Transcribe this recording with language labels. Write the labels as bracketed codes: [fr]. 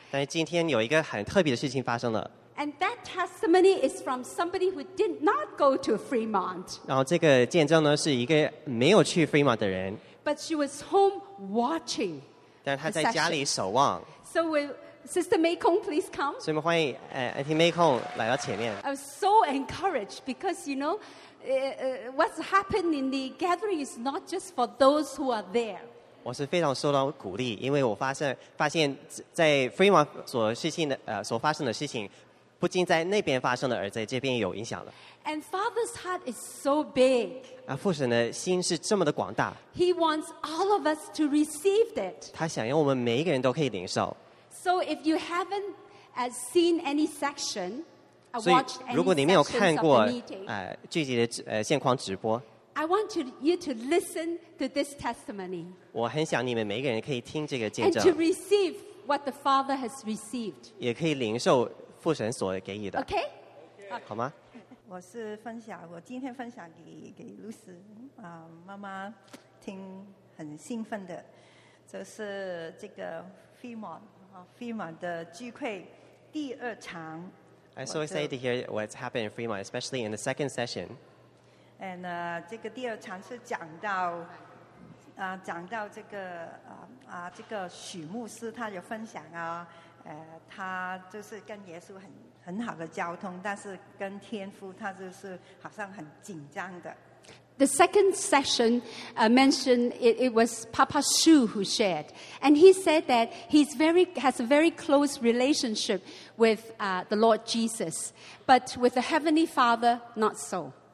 [zh] 但是今天有一个很特别的事情发生了。 [en] And that testimony is from somebody who did not go to Fremont. [zh] 然后这个见证呢是一个没有去 Fremont 的人。 [en] But she was home watching. [zh] 但他在家里守望。 [en] So will Sister Mei Kong please come? [zh] 所以我们欢迎Auntie Mei Kong来到前面。 [en] I was so encouraged because you know, what's happened in the gathering is not just for those who are there. [zh] 我是非常受到鼓励，因为我发现在 Fremont 所发生的事情，不仅在那边发生了，而在这边有影响了。 [en] And Father's heart is so big. [zh] 父神的心是这么的广大。 [en] He wants all of us to receive it. [zh] 他想要我们每一个人都可以领受。 [en] So if you haven't seen any section, watched any section. [zh] 如果你没有看过聚集的现况直播。 [en] I want you to listen to this testimony. [zh] 我很想你们每一个人可以听这个见证。 [en] And to receive what the Father has received. [zh] 也可以领受父神所给予的。 [en] Okay? [zh] 好吗？我是分享，我今天分享给露丝妈妈听，很兴奋的。这是这个 Fremont 的聚会第二场。 [en] I'm so excited to hear what's happened in Fremont, especially in the second session. [zh] And 这个第二场是讲到这个这个许牧师他有分享啊，他就是跟耶稣很好的交通，但是跟天父他就是好像很紧张的。 [en] The second session mentioned it was Papa Shu who shared, and he said that has a very close relationship with the Lord Jesus, but with the Heavenly Father not so.